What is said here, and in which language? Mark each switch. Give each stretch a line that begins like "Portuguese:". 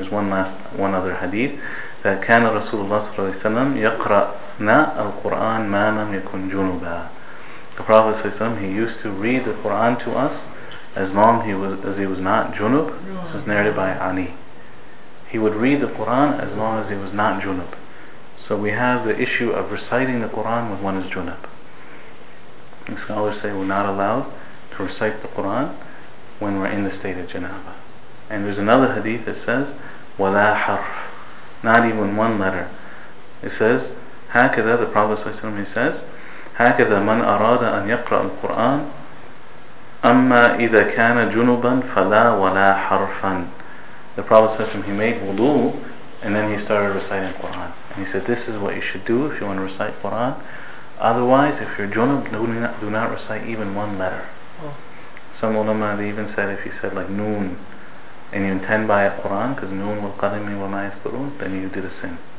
English: There's one other hadith that
Arabic: كَانَ رَسُولُ اللَّهِ صَلَّى اللَّهُ عَلَيْهِ وَسَلَّمَ يَقْرَأْنَا الْقُرْآنَ مَا لَمْ يَكُنْ جُنُبًا.
English: The Prophet ﷺ, he used to read the Quran to us as he was not junub. This is narrated by Ali. He would read the Quran as long as he was not junub. So we have the issue of reciting the Qur'an when one is junub. And scholars say we're not allowed to recite the Qur'an when we're in the state of janaba. And there's another hadith that says,
Arabic: وَلَا حَرْفٌ,
English: not even one letter. It says,
Arabic: هَكَذَا,
English: the Prophet ﷺ, he says,
Arabic: هَكَذَا مَنْ أَرَادَ أَنْ يَقْرَأَ الْقُرْآنَ أَمَّا إِذَا كَانَ جُنُبًا فَلَا وَلَا حَرْفًا.
English: The Prophet ﷺ, he made wudu, and then he started reciting Qur'an. And he said, this is what you should do if you want to recite Qur'an. Otherwise, if you're junub, do not recite even one letter. Oh. Some ulama even said, if you said like noon, and you intend by a Qur'an, because
Arabic: noon wal qadami wa ma yasturun,
English: then you did a sin.